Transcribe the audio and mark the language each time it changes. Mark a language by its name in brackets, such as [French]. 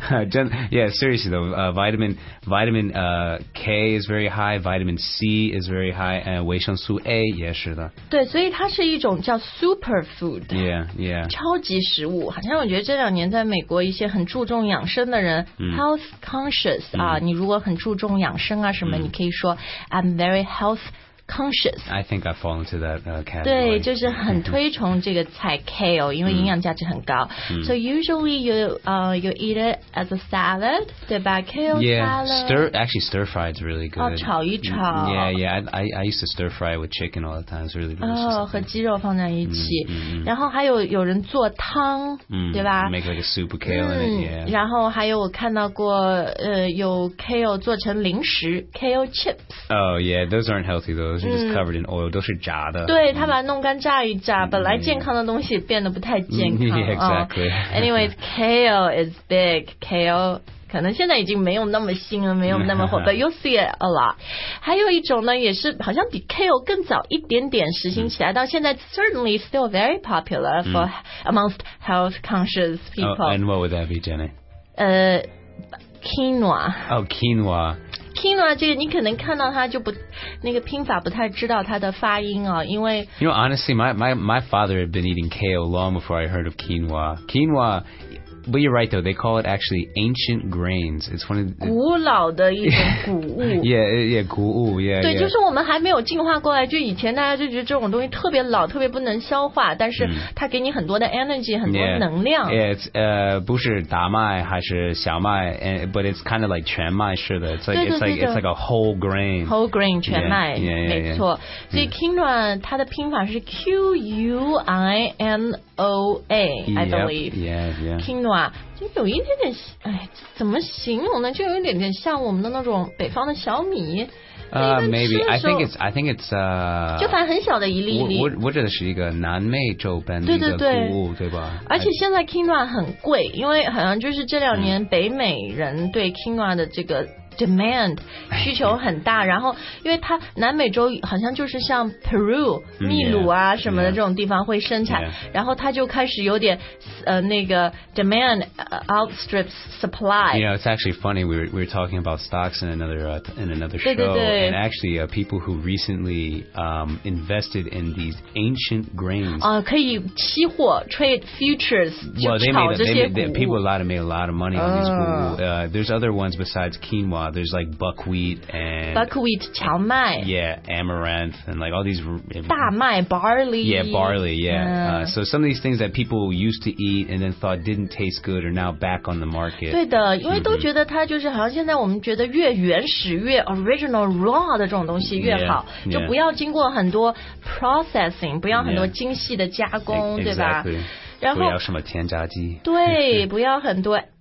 [English] 真 yeah, seriously though, vitamin K is very high, vitamin C is very high, and [Chinese] 维生素 A 也是的。对，所以它是一种叫 super food. [English] Yeah. [Chinese] 超级食物，好像我觉得这两年在美国一些很注重养生的人 ，health conscious 啊，你如果很注重养生啊什么，你可以说 [English] I'm very health conscious. Conscious. I think I fall into that category. [Chinese] 对，就是很推崇这个菜 kale， 因为营养价值很高。 [English] So usually you eat it as a salad, [Chinese] 对吧 [English] ？Kale salad. Yeah, stir fry is really good. [Chinese] 哦，炒一炒。 [English] Yeah, I used to stir fry with chicken all the time. It's really delicious. [Chinese] 哦，和鸡肉放在一起。然后还有人做汤，对吧 [English] ？Make like a soup of kale in it. Yeah. [Chinese] 然后还有我看到过有 kale 做成零食 ，kale chips. [English] Oh yeah, those aren't healthy though. Just covered in oil, [Chinese] 都是炸的。对，他把它弄干炸一炸，本来健康的东西变得不太健康。 [English] Exactly. Anyways, kale is big. [Chinese] Kale 可能现在已经没有那么新了，没有那么火， [English] but you'll see it a lot. [Chinese] 还有一种呢，也是好像比 kale 更早一点点实行起来，到现在 [English] certainly still very popular for amongst health conscious people. And what would that be, Jenny? Quinoa. Oh, quinoa. [Chinese] Quinoa 这个你可能看到它就不那个拼法不太知道它的发音啊，因为 [English] You know, honestly, my father had been eating kale long before I heard of quinoa. Quinoa But you're right, though. They call it actually ancient grains. It's one of the... [Chinese] 古老的一种谷物。 Yeah, 谷物 yeah. 对，就是我们还没有进化过来，就以前大家就觉得这种东西特别老，特别不能消化，但是它给你很多的 energy, 很多能量。 Yeah, 不是大麦还是小麦 [English] but it's kind of like [Chinese] 全麦似的。对对对。 [English] It's like a whole grain. Whole grain, 全麦。 Yeah, [Chinese] 没错。所以 quinoa 它的拼法是 Q-U-I-N-O-A, [English] I believe. Yeah, yeah. Quinoa. [Chinese] 就有一点点哎怎么形容呢就有一点点像我们的那种北方的小米。 [English] Maybe, I think it's, [Chinese] 就反正很小的一粒一粒。我指的是一个南美洲本地的谷物对吧而且现在 quinoa 很贵因为好像就是这两年北美人对 quinoa 的这个demand 需求很大然后因为它南美洲好像就是像 Peru 秘鲁啊什么的这种地方会生产 [English] yeah, [Chinese] 然后它就开始有点那个 [English] demand outstrips supply you know it's actually funny we were talking about stocks in another show [Chinese] 对对对 [English] and actually people who recently invested in these ancient grains [Chinese] 可以期货 [English] trade futures [Chinese] 就炒这些谷物 [English] well, people made a lot of money on these there's other ones besides quinoa Wow, there's like buckwheat, [Chinese] 荞麦 [English] yeah, amaranth, and like all these [Chinese] 大麦 barley. [English] Yeah, barley, yeah. So some of these things that people used to eat and then thought didn't taste good are now back on the market. [Chinese] 对的，因为都觉得它就是好像现在我们觉得越原始越 original raw 的这种东西越好，就不要经过很多 processing, 不要很多精细的加工，对吧？然后不要什么添加剂。对，不要很多。